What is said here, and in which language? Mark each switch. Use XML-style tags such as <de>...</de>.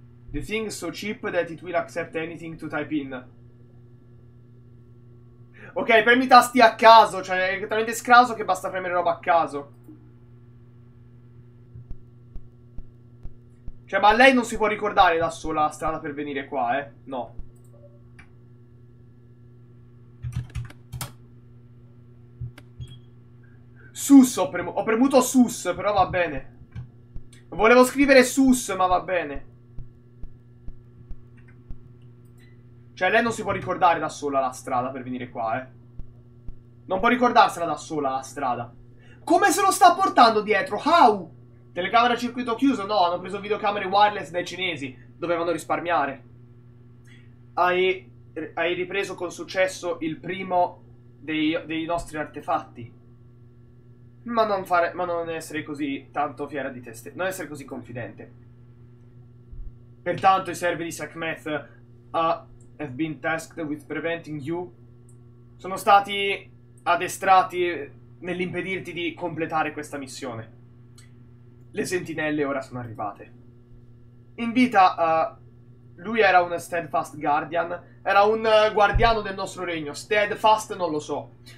<en>The thing is so cheap that it will accept anything to type in.</en> <it>Ok, premi tasti a caso, cioè è talmente scraso che basta premere roba a caso. Cioè, ma lei non si può ricordare da sola la strada per venire qua, eh? No. Sus, ho premuto sus, però va bene. Volevo scrivere sus, ma va bene. Cioè, lei non si può ricordare da sola la strada per venire qua, eh? Non può ricordarsela da sola la strada. Come se lo sta portando dietro?</it> <en>How?</en> <it>Telecamera a circuito chiuso? No, hanno preso videocamere wireless dai cinesi. Dovevano risparmiare. Hai ripreso con successo il primo dei nostri artefatti. Ma non essere così tanto fiera di te stessa. Non essere così confidente. Pertanto i servi di Sekhmet</it> <en>have been tasked with preventing you.</en> <it>Sono stati addestrati nell'impedirti di completare questa missione. Le sentinelle ora sono arrivate. In vita, lui era un</it> <en>steadfast guardian.</en> <it>Era un guardiano del nostro regno. Steadfast non lo so.</it>